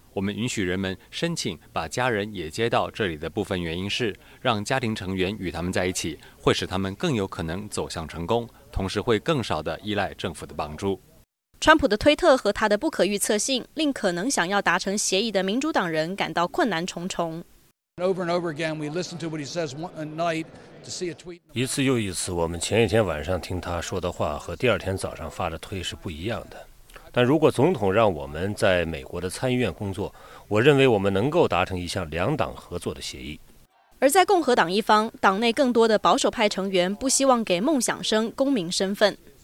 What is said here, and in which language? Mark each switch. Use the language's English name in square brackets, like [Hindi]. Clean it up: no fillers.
[Chinese] 我们允许人们申请把家人也接到这里的部分原因是，让家庭成员与他们在一起，会使他们更有可能走向成功，同时会更少的依赖政府的帮助。川普的推特和他的不可预测性，令可能想要达成协议的民主党人感到困难重重。 [English] Over and over again, we listen to what he says one night to see a tweet. [Chinese] 一次又一次，我们前一天晚上听他说的话和第二天早上发的推是不一样的。但如果总统让我们在美国的参议院工作，我认为我们能够达成一项两党合作的协议。而在共和党一方，党内更多的保守派成员不希望给梦想生公民身份。